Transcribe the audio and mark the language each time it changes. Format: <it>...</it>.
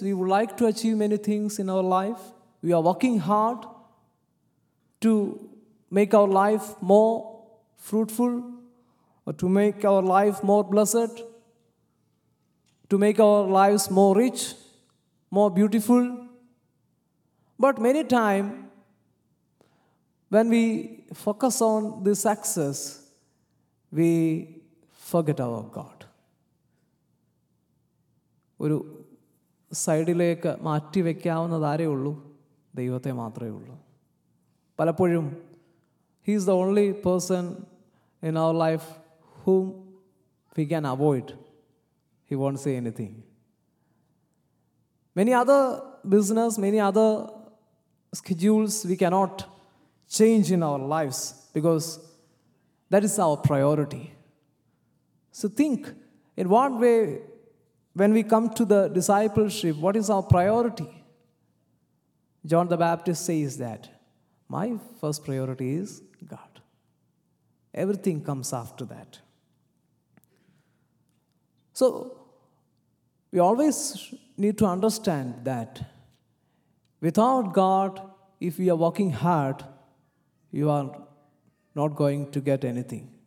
<en>We would like to achieve many things in our life. We are working hard to make our life more fruitful, or to make our life more blessed, to make our lives more rich, more beautiful. But many times, when we focus on the success, we forget our God.</en> <ml>ഒരു സൈഡിലേക്ക് മാറ്റി വയ്ക്കാവുന്നത് ആരേ ഉള്ളൂ? ദൈവത്തെ മാത്രമേ ഉള്ളൂ. പലപ്പോഴും</ml> <en>He is the only person in our life whom we can avoid. He won't say anything. Many other business, many other schedules we cannot change in our lifes because that is our priority. So think in what way when we come to the discipleship, what is our priority? John the Baptist says that my first priority is God. Everything comes after that. So we always need to understand that without God, if you are working hard, you are not going to get anything.</en>